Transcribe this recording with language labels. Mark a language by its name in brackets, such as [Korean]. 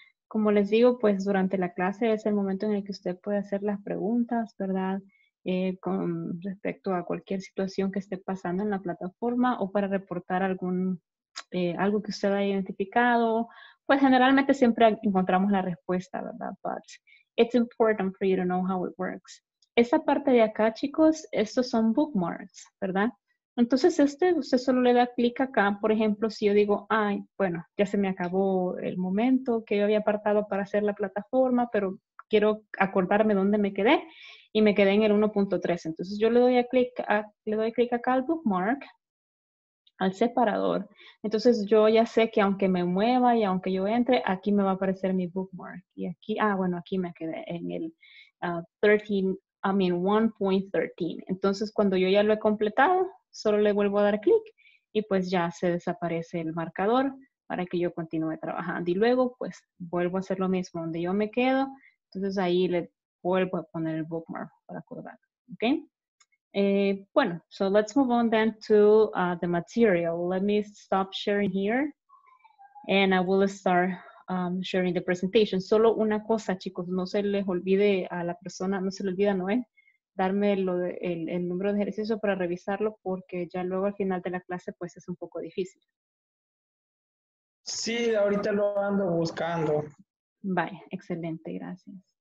[Spanish] Como les digo, pues durante la clase es el momento en el que usted puede hacer las preguntas, ¿verdad? con respecto a cualquier situación que esté pasando en la plataforma o para reportar algún algo que usted haya identificado. Pues generalmente siempre encontramos la respuesta, ¿verdad? [English] But it's important for you to know how it works. [Spanish] Esta parte de acá, chicos, estos son bookmarks, ¿verdad? Entonces, este, usted solo le da clic acá. Por ejemplo, si yo digo, ay, bueno, ya se me acabó el momento que yo había apartado para hacer la plataforma, pero quiero acordarme dónde me quedé, y me quedé en el 1.3. Entonces, yo le doy clic acá al bookmark, al separador. Entonces, yo ya sé que aunque me mueva y aunque yo entre, aquí me va a aparecer mi bookmark. Y aquí, aquí me quedé en el 1.13. Entonces, cuando yo ya lo he completado, solo le vuelvo a dar clic y pues ya se desaparece el marcador para que yo continúe trabajando. Y luego pues vuelvo a hacer lo mismo donde yo me quedo. Entonces ahí le vuelvo a poner el bookmark para acordar. ¿Ok? Bueno, [English] so let's move on then to the material. Let me stop sharing here and I will start sharing the presentation. [Spanish] Solo una cosa, chicos, no se les olvide a la persona, no se les olvida, ¿no? Darme el número de ejercicio para revisarlo, porque ya luego al final de la clase pues es un poco difícil. Sí, ahorita lo ando buscando. Vaya, excelente, gracias.